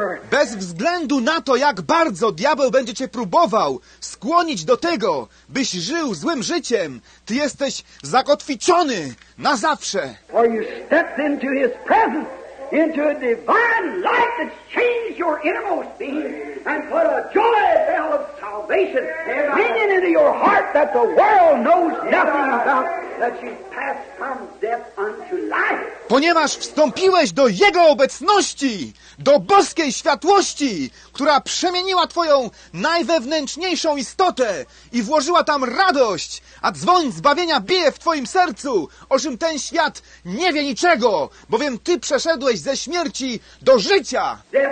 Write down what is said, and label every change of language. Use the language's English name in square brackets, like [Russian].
[Polish] Bez względu na to, jak bardzo diabeł będzie cię próbował skłonić do tego, byś żył złym życiem, ty jesteś zakotwiczony na zawsze. [English] Into a divine life that's changed your innermost being and put a joy bell of salvation ringing into your heart that the world knows nothing about, that you passed from death unto life. [Polish] Ponieważ wstąpiłeś do Jego obecności, do boskiej światłości, która przemieniła twoją najwewnętrzniejszą istotę i włożyła tam radość, a dzwoń zbawienia bije w twoim sercu, o czym ten świat nie wie niczego, bowiem ty przeszedłeś ze śmierci do życia.